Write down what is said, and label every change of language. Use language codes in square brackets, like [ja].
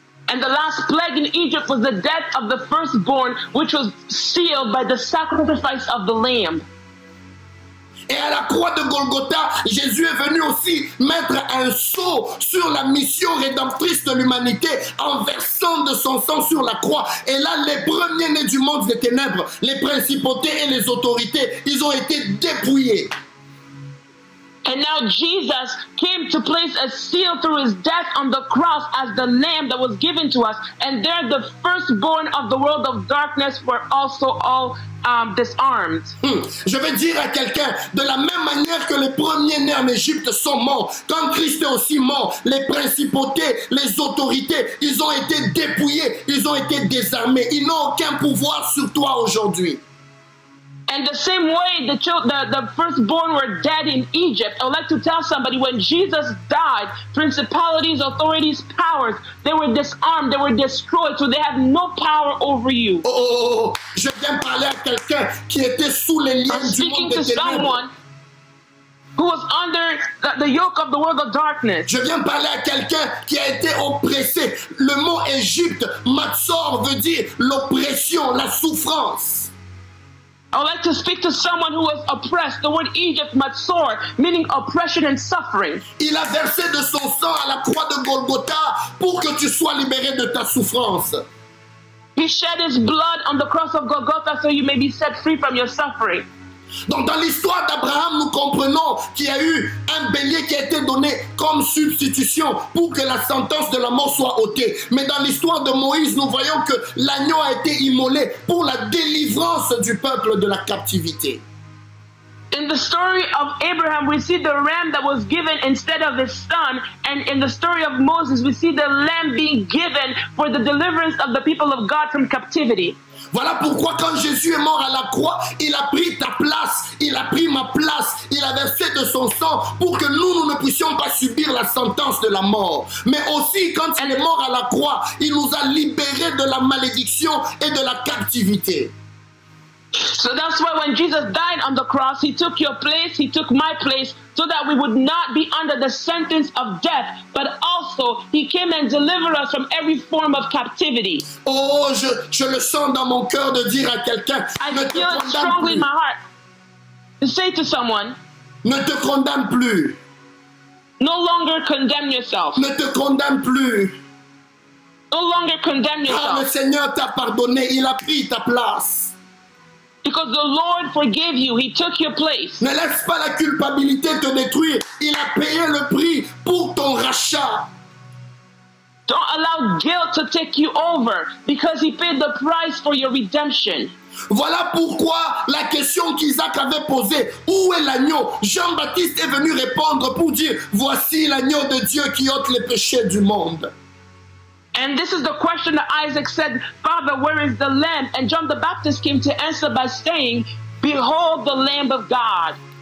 [en] And the last plague in Egypt was the death of the firstborn, which was sealed by the sacrifice of the lamb. [fr] Et à la croix de Golgotha, Jésus est venu aussi mettre un sceau sur la mission rédemptrice de l'humanité en versant de son sang sur la croix. Et là, les premiers-nés du monde des ténèbres, les principautés et les autorités, ils ont été dépouillés. [en] And now Jesus came to place a seal through his death on the cross as the lamb that was given to us. And there the firstborn of the world of darkness were also all disarmed. [fr] Je vais dire à quelqu'un, de la même manière que les premiers nés en Égypte sont morts, quand Christ est aussi mort, les principautés, les autorités, ils ont été dépouillés, ils ont été désarmés. Ils n'ont aucun pouvoir sur toi aujourd'hui. [en] And the same way the firstborn were dead in Egypt, I'd like to tell somebody, when Jesus died, principalities, authorities, powers, they were disarmed, they were destroyed, so they have no power over you. [fr] Oh, je viens parler à quelqu'un qui était sous les liens du monde des ténèbres. [en] Speaking to someone who was under the yoke of the world of darkness. [fr] Je viens parler à quelqu'un qui a été oppressé. Le mot Égypte, matzor, veut dire l'oppression, la souffrance. [en] I would like to speak to someone who was oppressed. The word Egypt, matzor, meaning oppression and suffering. [fr] Il a versé de son sang à la croix de Golgotha pour que tu sois libéré de ta souffrance. [en] He shed his blood on the cross of Golgotha so you may be set free from your suffering. [fr] Donc dans l'histoire d'Abraham, nous comprenons qu'il y a eu un bélier qui a été donné comme substitution pour que la sentence de la mort soit ôtée. Mais dans l'histoire de Moïse, nous voyons que l'agneau a été immolé pour la délivrance du peuple de la captivité. [en] In the story of Abraham, we see the ram that was given instead of his son. And in the story of Moses, we see the lamb being given for the deliverance of the people of God from captivity. [fr] Voilà pourquoi quand Jésus est mort à la croix, il a pris ta place, il a pris ma place, il a versé de son sang pour que nous ne puissions pas subir la sentence de la mort. Mais aussi, quand il est mort à la croix, il nous a libérés de la malédiction et de la captivité. [en] So that's why when Jesus died on the cross, he took your place, he took my place, so that we would not be under the sentence of death, but also he came and delivered us from every form of captivity. [fr] Oh, je le sens dans mon cœur de dire à quelqu'un, ne te condamne plus. [en] I feel strongly in my heart to say to someone, [fr] ne te condamne plus. [en] No longer condemn yourself. [fr] Ne te condamne plus. [en] No longer condemn yourself. [fr] Car le Seigneur t'a pardonné, il a pris ta place. [en] Because the Lord forgave you, he took your place. [fr] Ne laisse pas la culpabilité te détruire. Il a payé le prix pour ton rachat. [en] Don't allow guilt to take you over because he paid the price for your redemption. [fr] Voilà pourquoi la question qu'Isaac avait posée, où est l'agneau? Jean-Baptiste est venu répondre pour dire, voici l'agneau de Dieu qui ôte les péchés du monde. [en] And this is the question that Isaac said, Father, where is the lamb? And John the Baptist came to answer by saying, behold the lamb of God.